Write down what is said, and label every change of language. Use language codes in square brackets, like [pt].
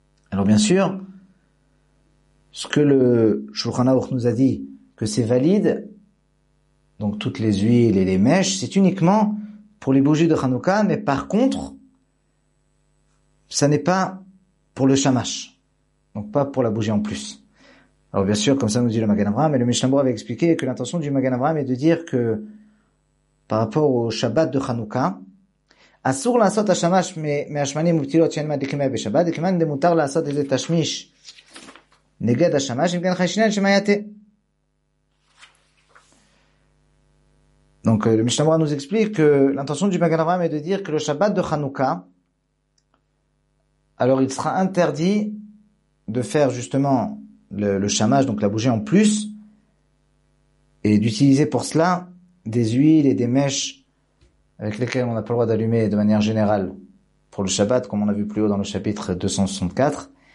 [fr] Alors bien sûr, ce que le Shulchan Aruch nous a dit, que c'est valide, donc toutes les huiles et les mèches, c'est uniquement pour les bougies de Hanouka, mais par contre, ça n'est pas pour le Shamash, donc pas pour la bougie en plus. Alors bien sûr, comme ça nous dit le Magen Avraham, et le Mishnah Berurah avait expliqué que l'intention du Magen Avraham est de dire que par rapport au Shabbat de Hanouka, [he] אסור לעשות השמש מהשמנים ובטילות שאין מדליקים מהם בשבת, וכמעט מותר לעשות איזה תשמיש נגד השמש, אם כן חיישינן שמייתה. [fr] Donc le Mishnah Berurah nous explique que l'intention du Magen Avraham est de dire que le Shabbat de Hanouka, alors il sera interdit de faire justement le shamash, donc la bougie en plus, et d'utiliser pour cela des huiles et des mèches avec lesquelles on n'a pas le droit d'allumer de manière générale pour le Shabbat, comme on a vu plus haut dans le chapitre 264.